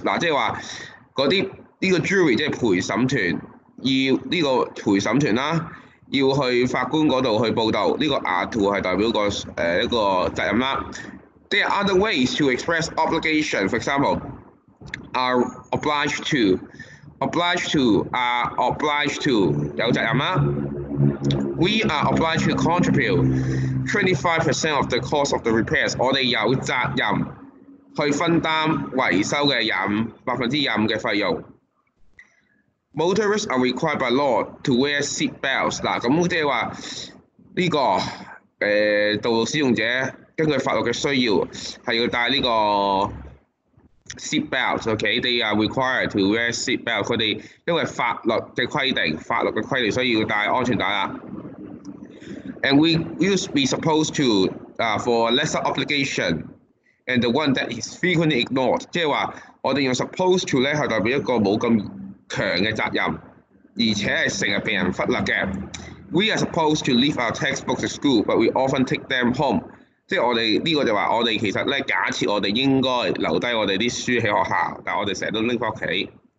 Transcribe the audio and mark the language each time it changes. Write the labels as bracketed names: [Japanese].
[Cantonese] 嗱，即係話嗰啲呢個 jury 即係陪審團，要呢個陪審團啦，要去法官嗰度去報到呢個 are to 係代表個一個責任啦。 [English] There are other ways to express obligation. For example. Are obliged to, obliged to, are obliged to, [Cantonese] 有責任嗎? [English] We are obliged to contribute 25% of the cost of the repairs. [Cantonese] 我哋有責任去分擔維修嘅25%嘅費用。 [English] Motorists are required by law to wear seat belts. [Cantonese] 嗱，咁即係話呢個道路使用者根據法律嘅需要係要戴呢個。 [English] Seat belts, okay. They are required to wear seat belts. [Cantonese] 佢哋因為法律嘅規定，所以要戴安全帶啦。 [English] And we used to be supposed to, for lesser obligation, and the one that is frequently ignored. [Cantonese] 即係話我哋用 supposed to 咧，係代表一個冇咁強嘅責任，而且係成日被人忽略嘅。 [English] We are supposed to leave our textbooks at school, but we often take them home. [Cantonese] 即係我哋呢個就話我哋其實咧，假設我哋應該留低我哋啲書喺學校，但我哋成日都拎翻屋企。